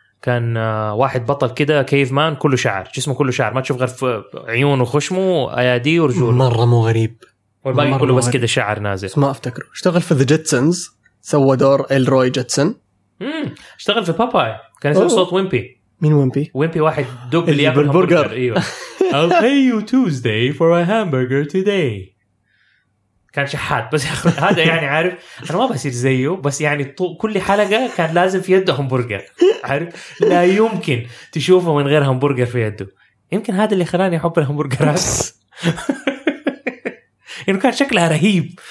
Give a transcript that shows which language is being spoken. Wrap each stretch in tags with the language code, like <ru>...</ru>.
<ar>كان واحد بطل كده كيف مان، كله شعر، جسمه كله شعر، ما تشوف غير عيونه وخشمه وايادي ورجوله، مرة مو غريب، والباقي كله مغريب. بس كده شعر نازل. ما افتكره. اشتغل في ذا جيتسنز، سوى دور إلروي جيتسن. اشتغل في باباي، كان يسوي صوت ويمبي. مين ويمبي؟ ويمبي واحد دوب اللي ياكل همبرجر. ايوه.</ar> <en>I'll pay you Tuesday for a hamburger today.</en> <ar>كان شحات بس هذا يعني عارف انا ما بصير زيه، بس يعني كل حلقه كان لازم في يده همبرجر، عارف لا يمكن تشوفه من غير همبرجر في يده. يمكن هذا اللي خلاني احب الهمبرجرات. يعني كان شكلها رهيب</ar>